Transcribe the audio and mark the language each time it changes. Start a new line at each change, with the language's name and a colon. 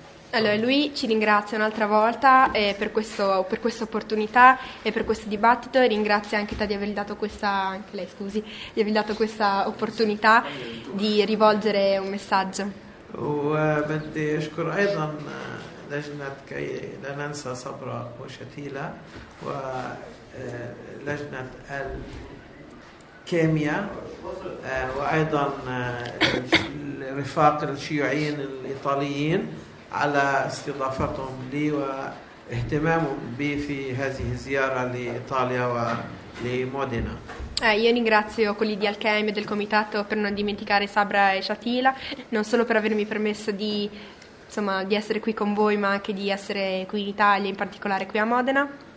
Italian: Allora, lui ci ringrazia un'altra volta per questa opportunità e per questo dibattito, e ringrazia anche te di aver dato questa, anche lei scusi, di aver dato questa opportunità di rivolgere un messaggio.
Arabic: وبدي أشكر أيضا لجنة كي لا ننسى صبرا وشتيلة ولجنة كيمياء وأيضا الرفاق الشيوعيين الإيطاليين على استضافتهم لي واهتمامهم بي في هذه الزيارة لإيطاليا ولمودينا.
Italian: Io ringrazio quelli di Alchemia e del Comitato per non dimenticare Sabra e Shatila, non solo per avermi permesso di, insomma, di essere qui con voi, ma anche di essere qui in Italia, in particolare qui a Modena.